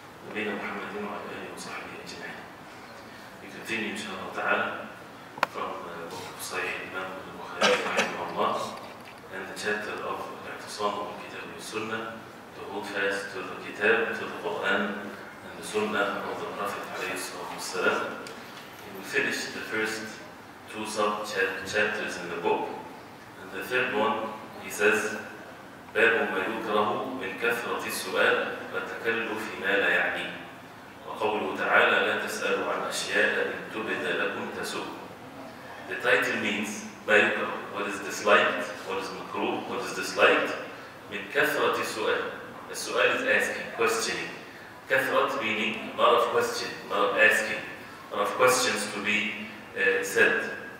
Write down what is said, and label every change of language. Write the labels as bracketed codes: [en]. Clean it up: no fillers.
[ar] نبينا محمد وعلى آله وصحبه أجمعين. [en] We continue inshallah ta'ala from the book of Sahih Imam al-Bukhari رحمه الله and the chapter of الاعتصام بالكتاب والسنة, to hold fast to the kitab, to the Quran and the sunnah of the Prophet عليه الصلاة والسلام. We finished the first two sub-chapters in the book, and the third one, he says, باب ما يكره من كثرة السؤال والتكلف ما لا يعني. [ar] وقوله تعالى لا تسألوا عن أشياء إن تبد لكم تسؤ. [en] The title means ما يكره, what is disliked, what is مكروه, what is disliked, من كثرة السؤال. The السؤال is asking, questioning. كثرة meaning a lot of questions, a lot of asking, a lot of questions to be said.